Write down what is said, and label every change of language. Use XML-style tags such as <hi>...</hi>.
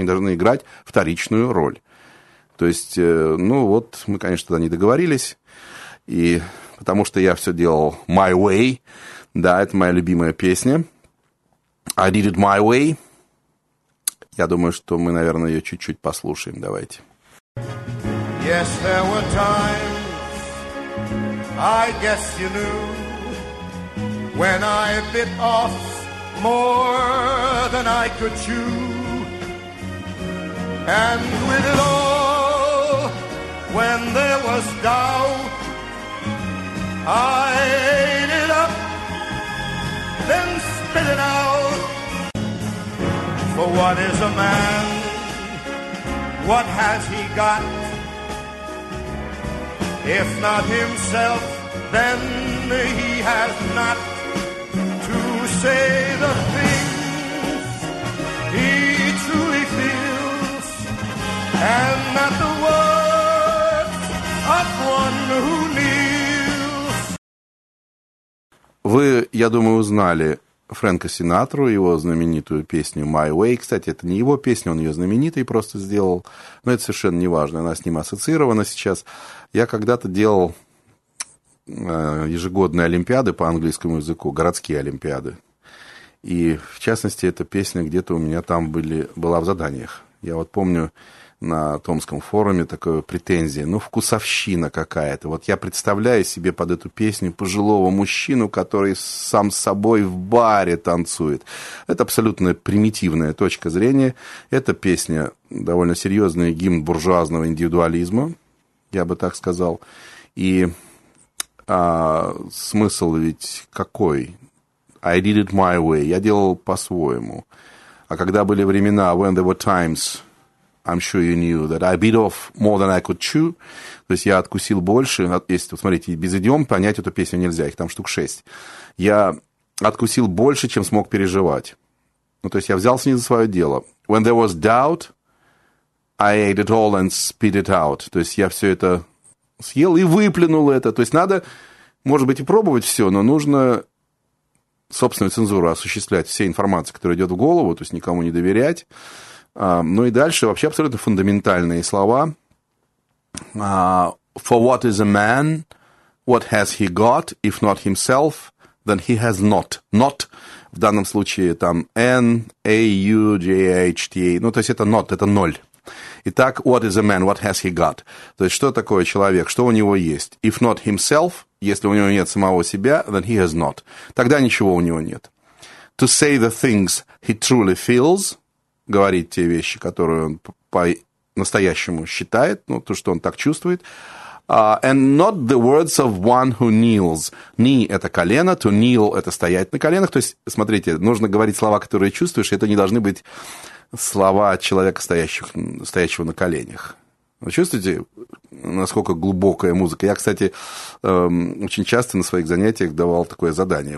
<ru>Они должны играть вторичную роль. То есть, ну вот, мы, конечно, тогда не договорились. И потому что я все делал «My Way». Да, это моя любимая песня.</ru> <en>«I did it my way».</en> <ru>Я думаю, что мы, наверное, ее чуть-чуть послушаем. Давайте.</ru> <en>Yes, there were times, I guess you knew. When I bit off more than I could chew, and with it all, when there was doubt, I ate it up, then spit it out. For what is a man? What has he got? If not himself, then he has not. say the things he truly feels, and not the words of one who kneels.</en> <ru>Вы, я думаю, узнали Фрэнка Синатру, его знаменитую песню «My Way». Кстати, это не его песня, он ее знаменитый просто сделал. Но это совершенно не важно, она с ним ассоциирована сейчас. Я когда-то делал ежегодные олимпиады по английскому языку, городские олимпиады. И, в частности, эта песня где-то у меня там была в заданиях. Я вот помню на Томском форуме такое претензия. Ну, вкусовщина какая-то. Вот я представляю себе под эту песню пожилого мужчину, который сам с собой в баре танцует. Это абсолютно примитивная точка зрения. Эта песня довольно серьезный гимн буржуазного индивидуализма, я бы так сказал. И смысл ведь какой?</ru> <en>I did it my way.</en> <ru>Я делал по-своему. А когда были времена,</ru> <en>when there were times, I'm sure you knew that I bit off more than I could chew.</en> <ru>То есть я откусил больше. Если, вот смотрите, без идиом понять эту песню нельзя. Их там штук 6. Я откусил больше, чем смог переживать. Ну, то есть я взялся не за свое дело.</ru> <en>When there was doubt, I ate it all and spit it out.</en> <ru>То есть я все это съел и выплюнул это. То есть надо, может быть, и пробовать все, но нужно собственную цензуру осуществлять. Все информации, которая идет в голову, то есть никому не доверять. Ну и дальше вообще абсолютно фундаментальные слова.</ru> <en>For what is a man? What has he got? If not himself, then he has not.</en> <ru>Not в данном случае там N-A-U-G-H-T-A. Ну, то есть это not, это ноль.</ru> <en>Итак, what is a man? What has he got?</en> <ru>То есть что такое человек? Что у него есть?</ru> <en>If not himself,</en> <ru>если у него нет самого себя,</ru> <en>then he has not.</en> <ru>Тогда ничего у него нет.</ru> <en>To say the things he truly feels,</en> <ru>говорить те вещи, которые он по-настоящему считает, ну, то, что он так чувствует.</ru> <en>And not the words of one who kneels.</en> <ru>Knee – это колено, to kneel – это стоять на коленах. То есть, смотрите, нужно говорить слова, которые чувствуешь, и это не должны быть слова человека, стоящего на коленях. Вы чувствуете, насколько глубокая музыка? Я, кстати, очень часто на своих занятиях давал такое задание.</ru>